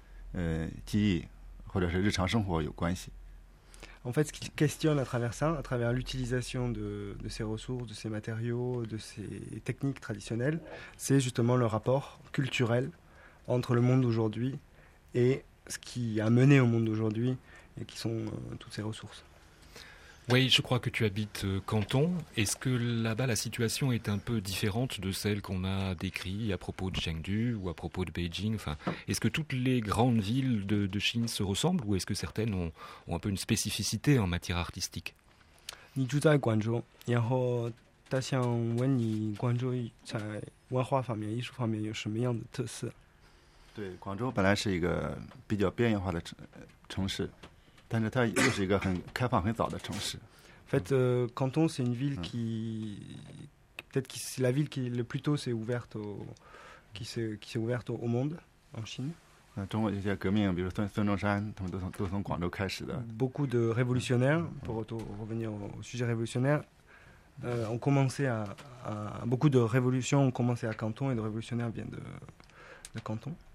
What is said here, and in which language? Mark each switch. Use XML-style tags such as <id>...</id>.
<zh>但就是我也把这种经验就是跟就今天我们的这样一个文化关系就发生关系基本上我的创作我想是跟一些记忆或者是日常生活有关系.</zh> <fr>En fait, ce qu'il questionne à travers ça, à travers l'utilisation de ces ressources, de ces matériaux, de ces techniques traditionnelles, c'est justement le rapport culturel entre le monde d'aujourd'hui et ce qui a mené au monde d'aujourd'hui et qui sont toutes ces ressources. Oui, je crois que tu habites Canton. Est-ce que là-bas, la situation est un peu différente de celle qu'on a décrite à propos de Chengdu ou à propos de Beijing? Enfin, est-ce que toutes les grandes villes de Chine se ressemblent ou est-ce que certaines ont un peu une spécificité en matière artistique? Tu es à Guangzhou, et je voudrais te demander Guangzhou, dans le domaine de l'art, dans le domaine de l'art, quel est le plus grand de l'art? Oui, Guangzhou, c'est une</fr> <zh>但是它又是一个很开放很早的城市。</zh> <fr>En fait, Canton, c'est une ville qui... Peut-être que c'est la ville qui le plus tôt s'est ouverte au... qui s'est ouverte au monde, en Chine.</fr> <zh>中国这些革命,比如孙中山,他们都从广州开始的。</zh> <fr>Beaucoup de révolutionnaires, pour revenir au sujet révolutionnaire, ont commencé à... Beaucoup de révolutions ont commencé à Canton et de révolutionnaires viennent de Canton.</fr>